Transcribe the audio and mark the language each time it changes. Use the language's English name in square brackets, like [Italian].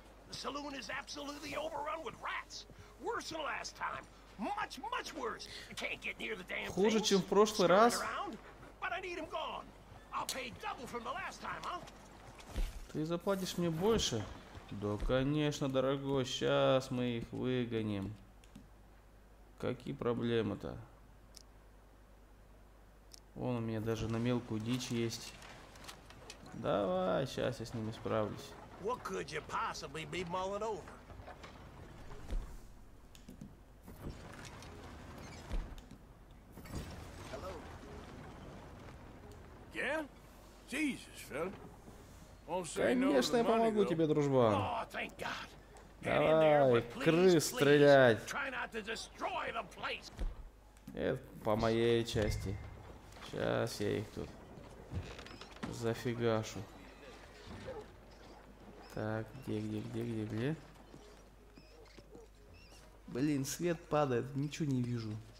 [English] The saloon is absolutely overrun with rats. Worse than last time. Much, much worse. I can't get near the damn thing. [Russian] Хуже, чем в прошлый раз. [English] But I need him gone. I'll pay double from the last time, huh? [Russian] Ты заплатишь мне больше? Да, конечно, дорогой. Сейчас мы их выгоним. Какие проблемы-то? Вон у меня даже на мелкую дичь есть. Давай, сейчас я с ними справлюсь. [English] What could you possibly be mulling over? Hello. Yeah? Jesus, fella. Won't say no. [Russian] Конечно, я помогу тебе, дружба. [English] Oh, thank God. [Russian] Давай, крыс стрелять. [English] Try not to destroy the place. [Russian] Это по моей части. Сейчас я их тут зафигашу. Так, где? Блин, свет падает, ничего не вижу.